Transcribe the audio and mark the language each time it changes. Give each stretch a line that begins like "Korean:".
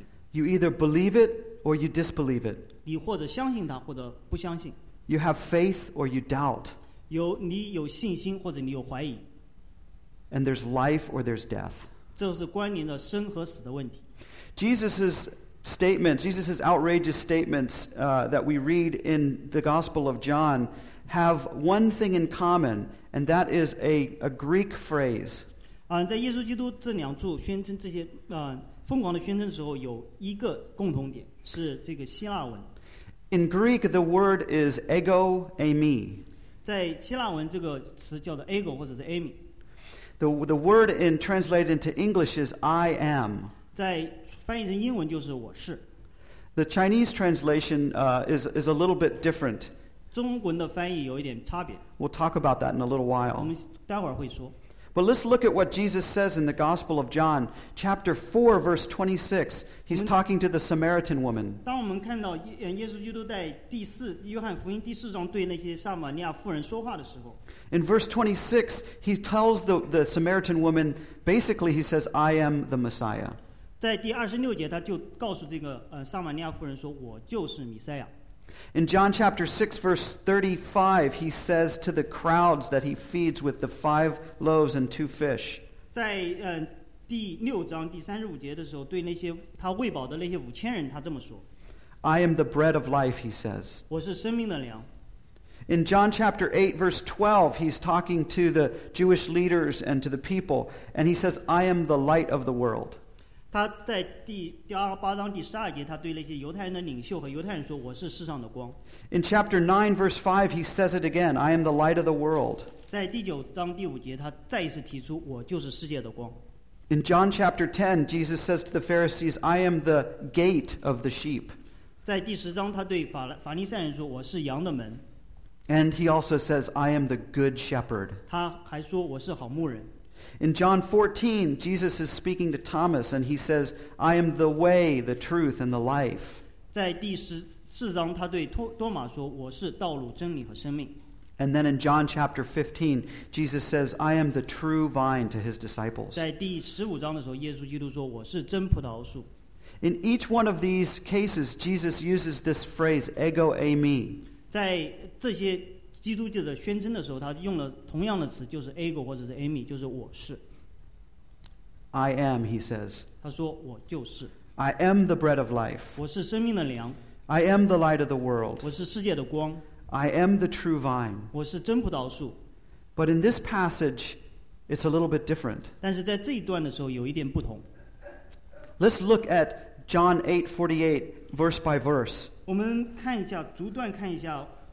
English: you either believe it or you disbelieve it. You have faith or you doubt.
Chinese: 有你有信心或者你有怀疑。
English: And there's life or there's death.
Chinese: 这是关联着生和死的问题。
English: Jesus's outrageous statements that we read in the Gospel of John have one thing in common, and that is a Greek phrase.
Chinese: 在耶稣基督这两处宣称这些疯狂的宣称的时候，有一个共同点是这个希腊文。
English: In Greek, the word is ego eimi.
Chinese: 在希腊文，这个词叫做 ego 或者是 eimi。
English: The word in translated into English is I am.
Chinese: 在翻译成英文就是我是。
English: The Chinese translation is a little bit different.
Chinese: 中文的翻译有一点差别。
English: We'll talk about that in a little while.
Chinese: 我们待会儿会说。
English: But let's look at what Jesus says in the Gospel of John, chapter 4, verse 26. He's talking to the Samaritan woman.
Chinese: 当我们看到耶稣基督在第四约翰福音第四章对那些撒玛利亚妇人说话的时候。
English: In verse 26, he tells the Samaritan woman, basically he says, I am the Messiah.
Chinese: 在第二十六节他就告诉这个撒玛利亚妇人说我就是弥赛亚。
English: In John chapter 6, verse 35, he says to the crowds that he feeds with the five loaves and two fish.
Chinese: 在第六章第三十五节的时候，对那些他喂饱的那些五千人，他这么说。
English: I am the bread of life, he says.
Chinese: 我是生命的粮。
English: In John chapter 8, verse 12, he's talking to the Jewish leaders and to the people, and he says, I am the light of the world.
Chinese: 他在第八章第十二节，他对那些犹太人的领袖和犹太人说：“我是世上的光。”
English: In chapter 9, verse 5, he says it again, I am the light of the world.
Chinese: 在第九章第五节，他再一次提出：“我就是世界的光。”
English: In John chapter 10, Jesus says to the Pharisees, I am the gate of the sheep.
Chinese: 在第十章，他对法利赛人说：“我是羊的门。”
English: And he also says, I am the good shepherd.
Chinese: 他还说：“我是好牧人。”
English: In John 14, Jesus is speaking to Thomas, and he says, I am the way, the truth, and the life.
Chinese: 在第四章，他对多马说，我是道路、真理和生命。
English: And then in John chapter 15, Jesus says, I am the true vine to his disciples.
Chinese: 在第十五章的时候，耶稣基督说，我是真葡萄树。
English: In each one of these cases, Jesus uses this phrase, ego eimi.
Chinese: 在这些基督教的宣称的时候，他用了同样的词，就是 ego 或者是 eimi， 就是我是。
English: I am, he says.
Chinese: 他说我就是。
English: I am the bread of life.
Chinese: 我是生命的粮。
English: I am the light of the world.
Chinese: 我是世界的光。
English: I am the true vine.
Chinese: 我是真葡萄树。
English: But in this passage, it's a little bit different.
Chinese: 但是在这一段的时候有一点不同。
English: Let's look at John 8:48, verse by verse.
Chinese: 我们看一下逐段看一下。